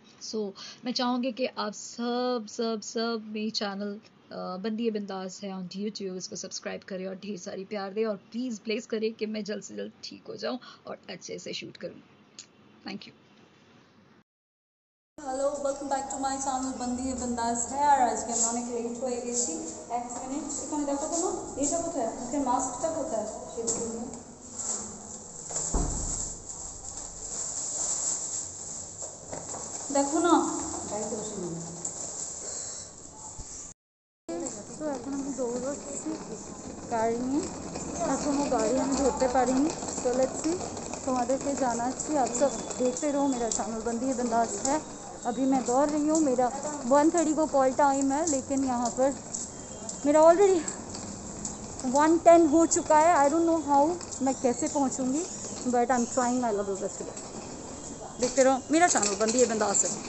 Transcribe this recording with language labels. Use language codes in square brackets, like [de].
[hi] सो मैं चाहूँगी कि आप सब सब सब मेरी चैनल बंदी बिंदास है ऑन यूट्यूब इसको सब्सक्राइब करें और ढेर सारी प्यार दें और प्लीज़ प्लेस करें कि मैं जल्द से जल्द ठीक हो जाऊँ और अच्छे से शूट करूँ। [en] Thank you. Hello welcome back to my channel बंदी बंदाज है। [hi] और आज के मैं [bn] অনেক রেডি হয়ে গেছি। এক মিনিট এখানে দেখো তো না এটা কোথায় আছে মাস্কটা কোথায় আছে সেটা দেখো। দেখো না যাই তো শুনি তো এখন আমি দৌড়াচ্ছি গাড়ি নিয়ে, এখনো গাড়ি আমি ধরতে পারিনি। চলেছি তোমাদেরকে জানাচ্ছি, আর সব দেখতে [hi] রহো মেরা চ্যানেল [bn] বন্দী বন্দাস হ্যাঁ। [hi] अभी मैं दौड़ रही हूँ, मेरा 1:30 को कॉल टाइम है, लेकिन यहाँ पर मेरा ऑलरेडी 1:10 हो चुका है। [en] I don't know how [hi] मैं कैसे पहुँचूंगी, [en] But I am trying my level best. [hi] देखते रहो मेरा चैनल बंदी बिंदास है।